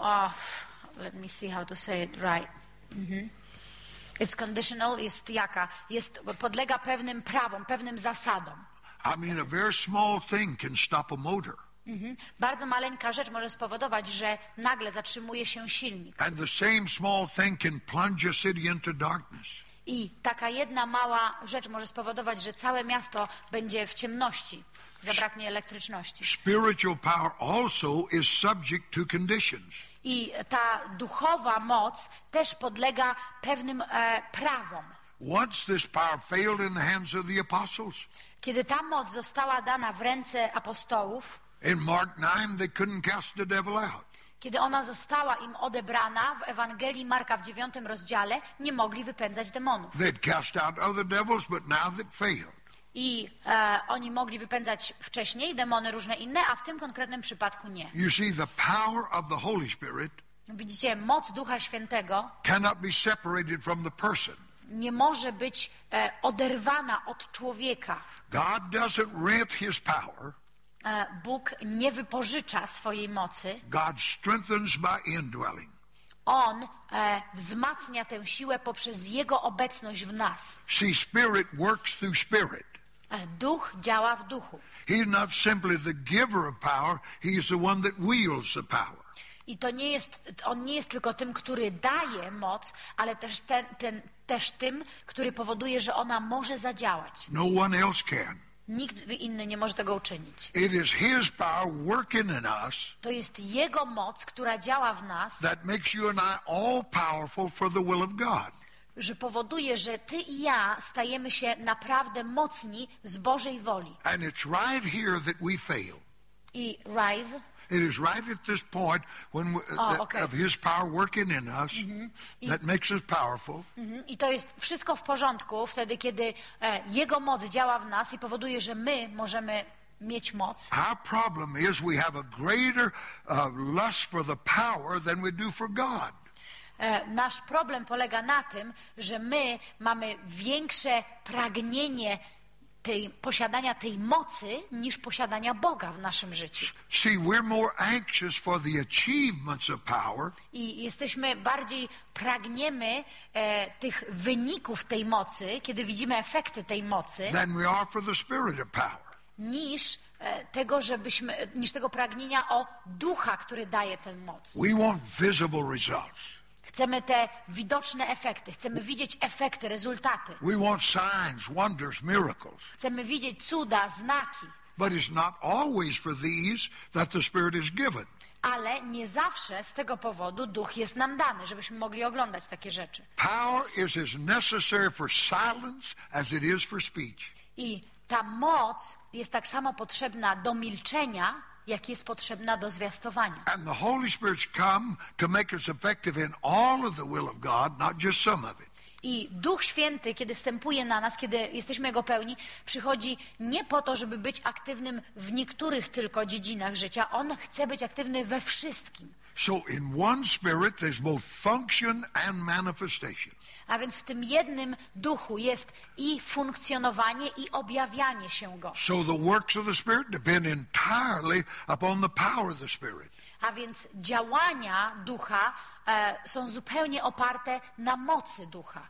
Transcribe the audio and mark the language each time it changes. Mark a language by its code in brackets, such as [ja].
[en] Oh, let me see how to say it right. It's conditional. [pl] Jest jaka? Jest podlega pewnym prawom, pewnym zasadom. [en] I mean, a very small thing can stop a motor. [pl] Bardzo maleńka rzecz może spowodować, że nagle zatrzymuje się silnik. [en] And the same small thing can plunge a city into darkness. [pl] I taka jedna mała rzecz może spowodować, że całe miasto będzie w ciemności, zabraknie elektryczności. [en] Spiritual power also is subject to conditions. [pl] I ta duchowa moc też podlega pewnym prawom. [en] Once this power failed in the hands of the apostles. [pl] Kiedy ta moc została dana w ręce apostołów. [en] In Mark 9 they couldn't cast the devil out. [pl] Kiedy ona została im odebrana w Ewangelii Marka w 9 rozdziale, nie mogli wypędzać demonów. [en] They'd cast out other devils, but now they failed. [pl] I oni mogli wypędzać wcześniej demony różne inne, a w tym konkretnym przypadku nie. [en] You see, the power of the Holy Spirit. [pl] Widzicie, moc Ducha Świętego [en] cannot be separated from the person. [pl] Nie może być oderwana od człowieka. [en] God doesn't rent his power. [pl] Bóg nie wypożycza swojej mocy. [en] God strengthens by indwelling. [pl] On wzmacnia tę siłę poprzez jego obecność w nas. [en] See, Spirit works through Spirit. [pl] Duch działa w duchu. [en] He's not simply the giver of power, he is the one that wields the power. [pl] I to nie jest, on nie jest tylko tym, który daje moc, ale też też tym, który powoduje, że ona może zadziałać. [en] No one else can. [pl] Nikt inny nie może tego uczynić. [en] It is his power working in us. [pl] To jest jego moc, która działa w nas. [en] That makes you and I all powerful for the will of God. [pl] Że powoduje, że ty i ja stajemy się naprawdę mocni z Bożej woli. [en] And it's right here that we fail. I right. It is right at this point when we, okay. Of his power working in us that makes us powerful. [pl] I to jest wszystko w porządku wtedy, kiedy jego moc działa w nas i powoduje, że my możemy mieć moc. [en] Our problem is we have a greater lust for the power than we do for God. [pl] Nasz problem polega na tym, że my mamy większe pragnienie posiadania tej mocy niż posiadania Boga w naszym życiu. [en] See, we're more anxious for the achievements of power. [pl] I jesteśmy bardziej pragniemy tych wyników tej mocy, kiedy widzimy efekty tej mocy, [en] than we are for the spirit of power. [pl] Niż tego, żebyśmy, niż tego pragnienia o ducha, który daje tę moc. [en] We want visible results. [pl] Chcemy te widoczne efekty. Chcemy widzieć efekty, rezultaty. [en] We want signs, wonders, miracles. [pl] Chcemy widzieć cuda, znaki. [en] But it's not always for these that the Spirit is given. [pl] Ale nie zawsze z tego powodu Duch jest nam dany, żebyśmy mogli oglądać takie rzeczy. [en] Power is as necessary for silence as it is for speech. [pl] I ta moc jest tak samo potrzebna do milczenia, jak jest potrzebna do zwiastowania. [en] And the Holy Spirit's come to make us effective in all of the will of God, not just some of it. [pl] I Duch Święty, kiedy wstępuje na nas, kiedy jesteśmy Jego pełni, przychodzi nie po to, żeby być aktywnym w niektórych tylko dziedzinach życia. On chce być aktywny we wszystkim. [en] So in one spirit there's both function and manifestation. [pl] A więc w tym jednym duchu jest i funkcjonowanie, i objawianie się Go. [en] So the works of the Spirit depend entirely upon the power of the Spirit. [pl] A więc działania ducha są zupełnie oparte na mocy ducha.